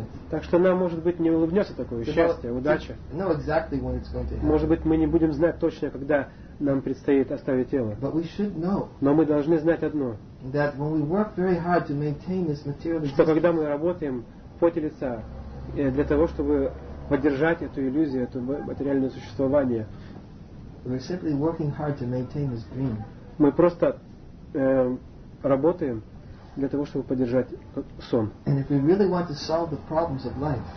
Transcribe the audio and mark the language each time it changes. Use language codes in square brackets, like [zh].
[ru] Так что нам, может быть, не улыбнется такое счастье, удача. Может быть, мы не будем знать точно, когда нам предстоит оставить тело. Но мы должны знать одно. [en] That when we work very hard to maintain this material existence, [ru] что когда мы работаем в поте лица для того, чтобы поддержать эту иллюзию, это материальное существование, [en] we're simply working hard to maintain this dream. [ru] Мы просто работаем для того, чтобы поддержать сон. [en] And if we really want to solve the problems of life,